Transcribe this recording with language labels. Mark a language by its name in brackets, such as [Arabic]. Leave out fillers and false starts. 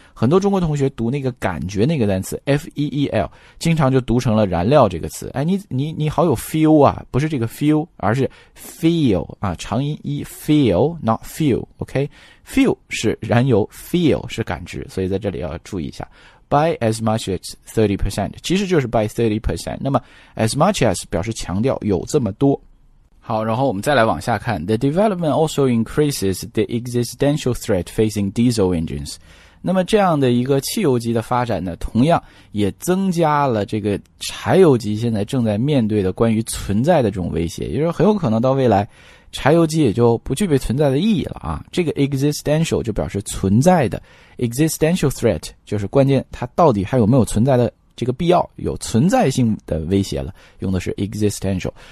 [Chinese] 很多中国同学读那个感觉那个单词 feel 经常就读成了燃料这个词，哎，你好有 feel 啊，不是这个 fuel 而是 feel 啊，长音 e feel not fuel, OK, feel 是燃油， feel 是感知，所以在这里要注意一下。 [English] By as much as 30%, [Chinese] 其实就是 by 30%, 那么 as much as 表示强调有这么多。好，然后我们再来往下看。 [English] The development also increases the existential threat facing diesel engines. [Chinese] 那么这样的一个汽油机的发展呢，同样也增加了这个柴油机现在正在面对的关于存在的这种威胁。也就是很有可能到未来，柴油机也就不具备存在的意义了啊。这个 existential 就表示存在的， existential threat 就是关键它到底还有没有存在的这个必要，有存在性的威胁了，用的是 existential。